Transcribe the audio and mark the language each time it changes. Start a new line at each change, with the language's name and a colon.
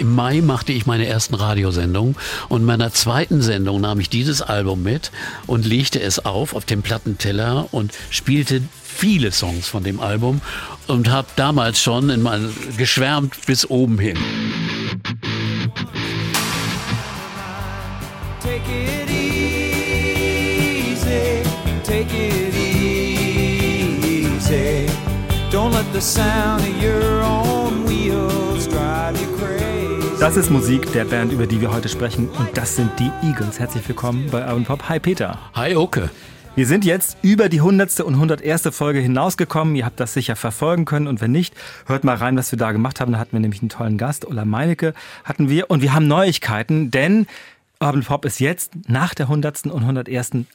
German: Im Mai machte ich meine ersten Radiosendungen. Und in meiner zweiten Sendung nahm ich dieses Album mit und legte es auf dem Plattenteller und spielte viele Songs von dem Album und habe damals schon geschwärmt bis oben hin.
English: Take it easy, take it easy. Don't let the sound of your own wheels drive you crazy.
German: Das ist Musik der Band, über die wir heute sprechen, und das sind die Eagles. Herzlich willkommen bei Urban Pop. Hi Peter. Hi Oke. Wir sind jetzt über die 100. und 101. Folge hinausgekommen. Ihr habt das sicher verfolgen können. Und wenn nicht, hört mal rein, was wir da gemacht haben. Da hatten wir nämlich einen tollen Gast. Ulla Meinecke hatten wir. Und wir haben Neuigkeiten, denn Urban Pop ist jetzt nach der 100. und 101.